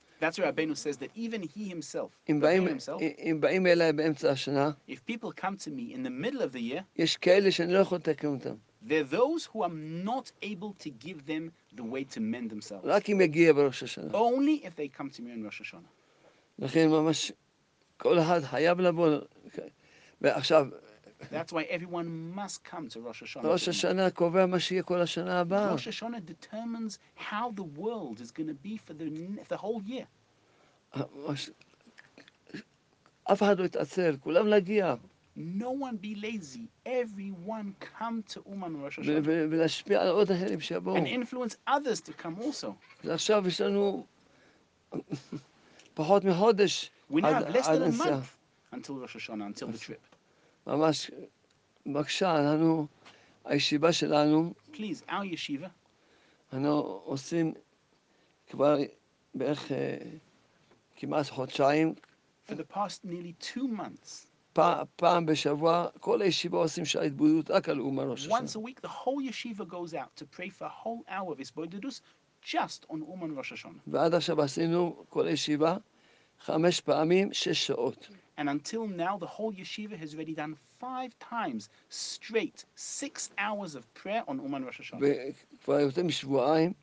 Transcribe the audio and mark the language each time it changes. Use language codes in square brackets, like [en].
[en] That's where Rabbeinu says that even he himself, if people come to me in the middle of the year, there are those who I'm not able to give them the way to mend themselves. Only if they come to me in Rosh Hashanah. That's why everyone must come to Rosh Hashanah. [he] Rosh Hashanah קובע מה שיהיה כל השנה הבאה. [en] Rosh Hashanah determines how the world is going to be for the whole year. [he] אף אחד לא יתעצר, כולם להגיע. [en] No one be lazy. Everyone come to Uman Rosh Hashanah. [he] ולהשפיע על עוד אחרים שיבואו. [en] And influence others to come also. [he] ועכשיו יש לנו פחות מחודש. [en] We now have less than a month until Rosh Hashanah, until the trip. [he] ממש, בבקשה, אנחנו, הישיבה שלנו, [en] Please, our yeshiva. [he] אנחנו עושים כבר בערך כמעט חודשיים. [en] For the past nearly 2 months. [he] פעם בשבוע, כל הישיבה עושים שעה התבודדות, רק על אומן ראש השנה. [en] Once a week, the whole yeshiva goes out to pray for a whole hour of Isbodedus, just on Uman Rosh Hashanah. [he] ועד עכשיו עשינו כל הישיבה, 5 פעמים, 6 שעות. [en] And until now, the whole yeshiva has already done 5 times straight, 6 hours of prayer on Uman Rosh Hashanah.